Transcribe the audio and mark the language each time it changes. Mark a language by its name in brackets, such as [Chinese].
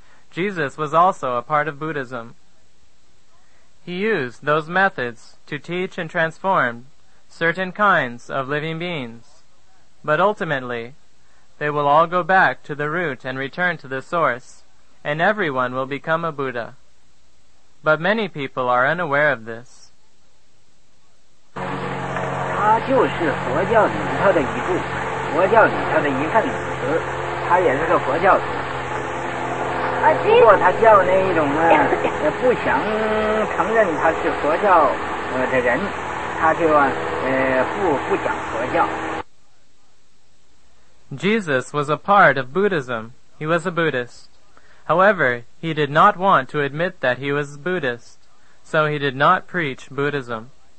[English] Jesus was also a part of Buddhism. He used those methods to teach and transform certain kinds of living beings, but ultimately, they will all go back to the root and return to the source, and everyone will become a Buddha. But many people are unaware of this. [Chinese] 他就是佛教里头的一部分，佛教里头的一份子，他也是个佛教徒。如果他叫那一种呢，不想承认他是佛教的人，他就不讲佛教。Jesus [English] was a part of Buddhism. He was a Buddhist. However, he did not want to admit that he was Buddhist, so he did not preach Buddhism.